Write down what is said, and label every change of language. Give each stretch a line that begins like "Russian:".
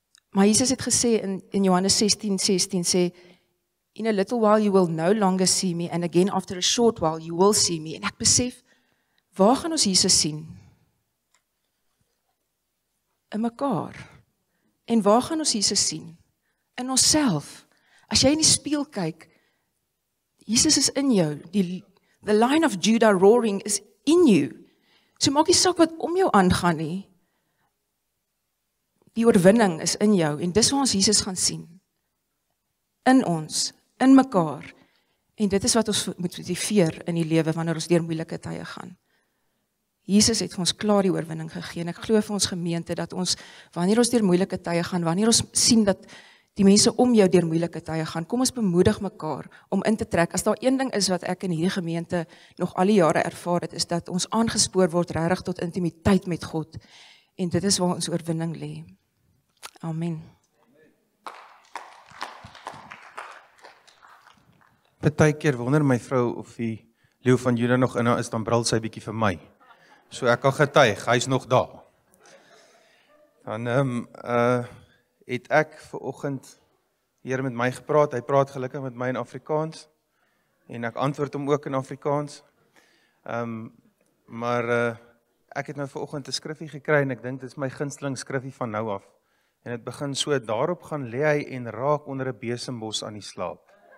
Afrikaans: Maar Jesus het gesê in Johannes 16:16 sê,
English: "In a little while you will no longer see me, and again after a short while you will see me."
Afrikaans: En ek besef, waar gaan ons Jesus sien? In mekaar. En waar gaan ons Jesus sien? In onsself. As jy in die spieël kyk, Jesus is in jou.
English: The line of Judah roaring is in you.
Afrikaans: So maak nie saak wat om jou aangaan nie. Die oorwinning is in jou en dis waar ons Jesus gaan sien. In ons, in mekaar. En dit is wat ons moet motiveer in die lewe wanneer ons deur moeilike tye gaan. Jesus het vir ons klaar die oorwinning gegee. Ek glo vir ons gemeente dat ons, wanneer ons deur moeilike tye gaan, wanneer ons sien dat die mense om jou deur moeilike tye gaan, kom ons bemoedig mekaar om in te trek. As daar een ding is wat ek in hierdie gemeente nog al die jare ervaar het, is dat ons aangespoor word regtig tot intimiteit met God. En dit is waar ons oorwinning lê. Amen. Partykeer wonder my vrou of die leeu van Juda nog in haar is, dan brul sy bietjie vir my. So ek kan getuig, hy is nog daar. Dan het ek vanoggend hier met my gepraat. Hy praat gelukkig met my in Afrikaans en ek antwoord hom ook in Afrikaans. Ek het nou vanoggend 'n skriffie gekry en ek dink dit is my gunsteling skriffie van nou af. En het begin so, daarop gaan lê hy en raak onder 'n besembos aan die slaap.